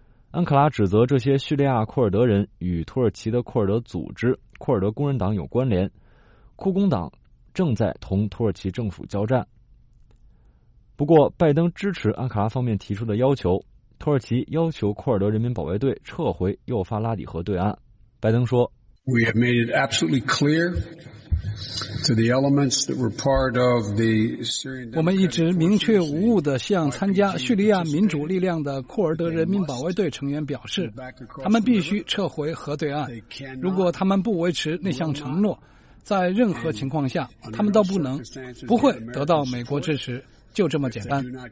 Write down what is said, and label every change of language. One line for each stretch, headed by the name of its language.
Chinese: 安卡拉指责这些叙利亚库尔德人与土耳其的库尔德组织库尔德工人党有关联，库工党正在同土耳其政府交战。不过拜登支持安卡拉方面提出的要求，土耳其要求库尔德人民保卫队撤回幼发拉底河对岸。拜登说，
English: We have made it absolutely clear to the elements that were part of the Syrian。
Chinese: 我们一直明确无误地向参加叙利亚民主力量的库尔德人民保卫队成员表示，他们必须撤回河对岸。如果他们不维持那项承诺，在任何情况下他们都不能不会得到美国支持，就这么简单。